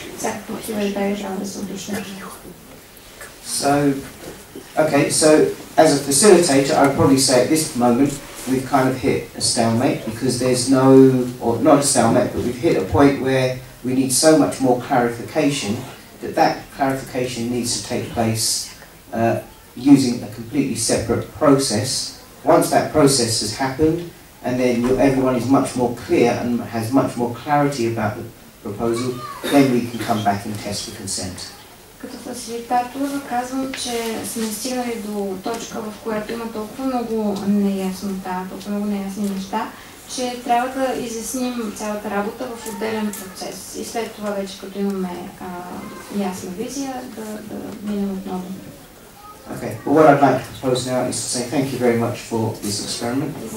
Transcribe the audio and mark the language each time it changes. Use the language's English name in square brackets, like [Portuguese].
[Bulgarian] Всякакви такива детайли трябва да се уточнят. [English] So as a facilitator, I'd probably say at this moment we've kind of hit a stalemate because there's no, or not a stalemate, but we've hit a point where we need so much more clarification that clarification needs to take place using a completely separate process. Once that process has happened and then everyone is much more clear and has much more clarity about the proposal, then we can come back and test for consent. [Bulgarian] Като фасилитатор казвам, че сме стигнали до точка, в която има толкова много неяснота, толкова много неясни неща, че трябва да изясним цялата работа в отделен процес. И след това вече, като имаме ясна визия, да минем отново. [English] Okay, but what I'd like to propose now is to say thank you very much for this experiment.